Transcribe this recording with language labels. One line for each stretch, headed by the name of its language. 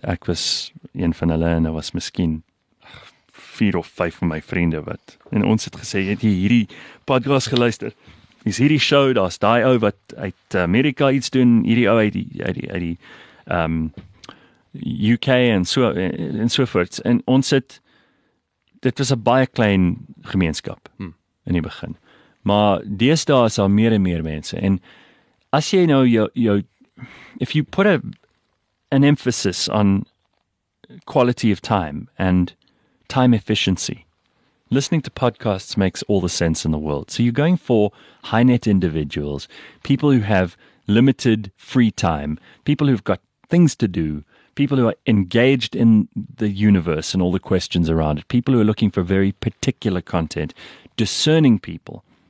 Afrikaans: Ek was een van hulle en daar was miskien 4 of 5 van my vriende wat. En ons het gesê, het jy hierdie podcast geluister? Is hierdie show, daar is die ou wat uit Amerika iets doen, hierdie ou uit die UK en so voorts. En ons het, dit was 'n baie klein gemeenskap in die begin. Maar deesdae is daar meer en meer mense. En as jy nou jou,
English: if you put an emphasis on quality of time and time efficiency, listening to podcasts makes all the sense in the world. So you're going for high net individuals, people who have limited free time, people who've got things to do, people who are engaged in the universe and all the questions around it, people who are looking for very particular content, discerning people.